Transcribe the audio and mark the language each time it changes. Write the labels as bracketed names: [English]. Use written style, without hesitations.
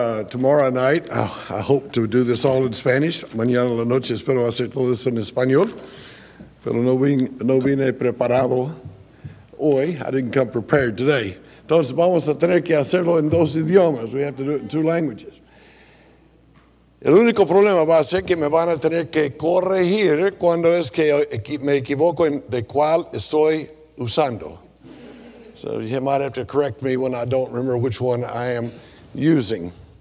[English] Tomorrow night, I hope to do this all in Spanish. [Spanish] Mañana la noche espero hacer todo esto en español. Pero no vine preparado hoy. [English] I didn't come prepared today. [Spanish] Entonces vamos a tener que hacerlo en dos idiomas. [English] We have to do it in two languages. [Spanish] El único problema va a ser que me van a tener que corregir cuando es que me equivoco en de cuál estoy usando. [English] So you might have to correct me when I don't remember which one I am using.